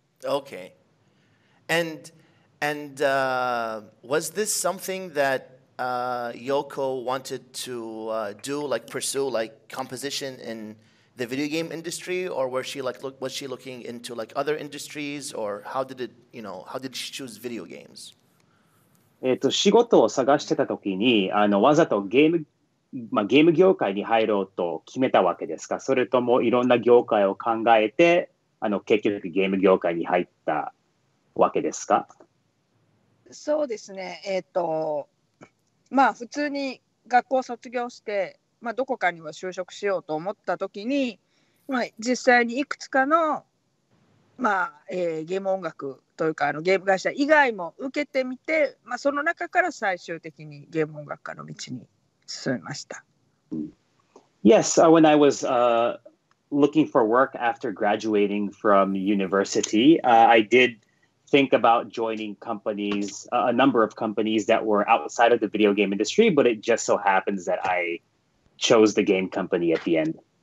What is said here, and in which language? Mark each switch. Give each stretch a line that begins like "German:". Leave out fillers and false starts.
English: Okay, And was this something that Yoko wanted to do, like pursue, like composition in the video game industry, or was she like looking into like other industries, or how did she choose video games?
Japanese: 仕事を探してた時に、わざとゲーム業界に入ろうと決めたわけですか？それともいろんな業界を考えて、結局ゲーム業界に入ったわけですか？そうですね、まあ普通に学校卒業して、まあ、どこかには就職しようと思った時に、まあ、実際にいくつかの、まあゲーム音楽というかゲーム会社以外も受けてみて、まあ、その中から最終的にゲーム音楽家の道に進みました。
English: Yes, when I was looking for work after graduating from university, I diddid think about joining companies, a number of companies that were outside of the video game industry, but it just so happens that I chose the game company at the end.